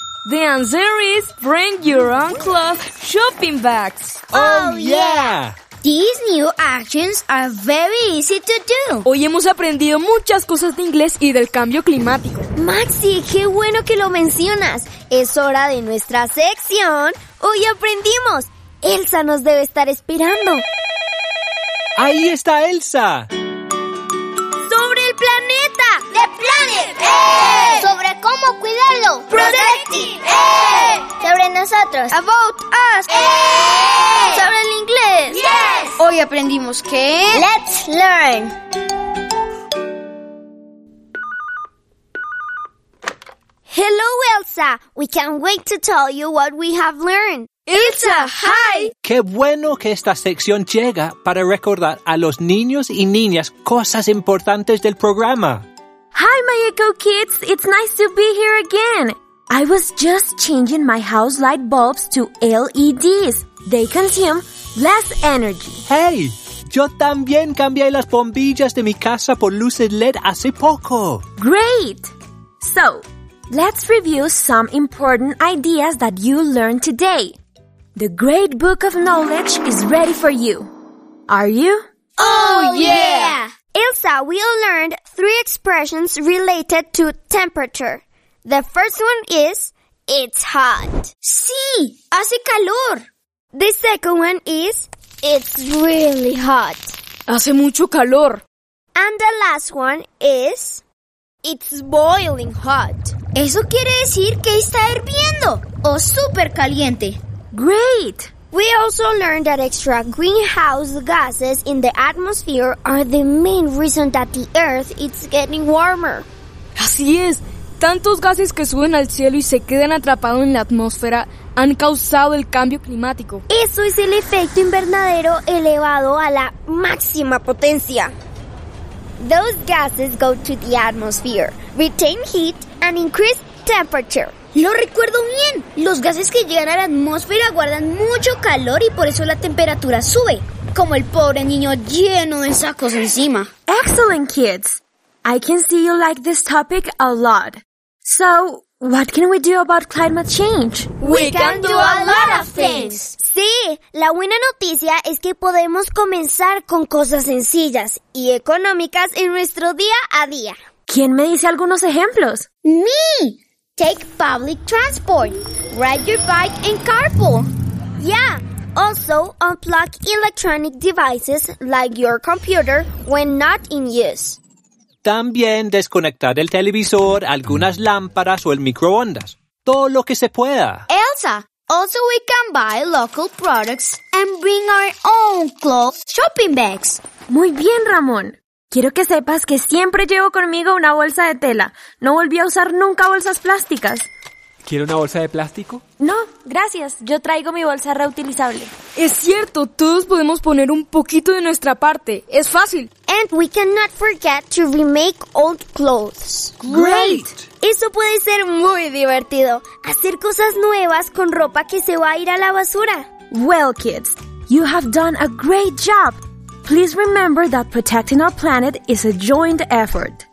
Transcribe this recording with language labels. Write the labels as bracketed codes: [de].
[en] The answer is bring your own cloth shopping bags. Oh, yeah. These new actions are very easy to do. [es] Hoy hemos aprendido muchas cosas de inglés y del cambio climático. Maxi, qué bueno que lo mencionas. Es hora de nuestra sección. Hoy aprendimos. Elsa nos debe estar esperando. ¡Ahí está Elsa! ¡Sobre el planeta! [en] ¡The Planet Earth! [es] ¿Sobre cómo cuidarlo? [en] ¡Protecting Earth! [es] ¿Sobre nosotros? ¡About us! ¿Sobre el inglés? [en] ¡Yes! [es] Hoy aprendimos que... [en] ¡Let's learn! Hello, Elsa. We can't wait to tell you what we have learned. Elsa, hi! [es] ¡Qué bueno que esta sección llega para recordar a los niños y niñas cosas importantes del programa! [en] Hi, my Echo Kids! It's nice to be here again! I was just changing my house light bulbs to LEDs. They consume less energy. ¡Hey! [es] Yo también cambié las bombillas de mi casa por luces LED hace poco. [en] Great! So, let's review some important ideas that you learned today. The Great Book of Knowledge is ready for you. Are you? Oh, yeah! Elsa, we learned three expressions related to temperature. The first one is, it's hot. [es] Sí, hace calor. [en] The second one is, it's really hot. [es] Hace mucho calor. [en] And the last one is, it's boiling hot. [es] Eso quiere decir que está hirviendo o súper caliente. [en] Great! We also learned that extra greenhouse gases in the atmosphere are the main reason that the Earth is getting warmer. [es] Así es. Tantos gases que suben al cielo y se quedan atrapados en la atmósfera han causado el cambio climático. Eso es el efecto invernadero elevado a la máxima potencia. [en] Those gases go to the atmosphere, retain heat and increase temperature. [es] ¡Lo recuerdo bien! Los gases que llegan a la atmósfera guardan mucho calor y por eso la temperatura sube, como el pobre niño lleno de sacos encima. [en] Excellent, kids. I can see you like this topic a lot. So, what can we do about climate change? We can do a lot of things. [es] Sí, la buena noticia es que podemos comenzar con cosas sencillas y económicas en nuestro día a día. ¿Quién me dice algunos ejemplos? [en] ¡Mí! Take public transport. Ride your bike and carpool. Yeah. Also, unplug electronic devices like your computer when not in use. [es] También desconectar el televisor, algunas lámparas o el microondas. Todo lo que se pueda. [en] Elsa, also we can buy local products and bring our own clothes shopping bags. [es] Muy bien, Ramón. Quiero que sepas que siempre llevo conmigo una bolsa de tela. No volví a usar nunca bolsas plásticas. ¿Quiere una bolsa de plástico? No, gracias. Yo traigo mi bolsa reutilizable. Es cierto, todos podemos poner un poquito de nuestra parte. Es fácil. [en] And we cannot forget to remake old clothes. Great. [es] Eso puede ser muy divertido. Hacer cosas nuevas con ropa que se va a ir a la basura. [en] Well, kids, you have done a great job. Please remember that protecting our planet is a joint effort.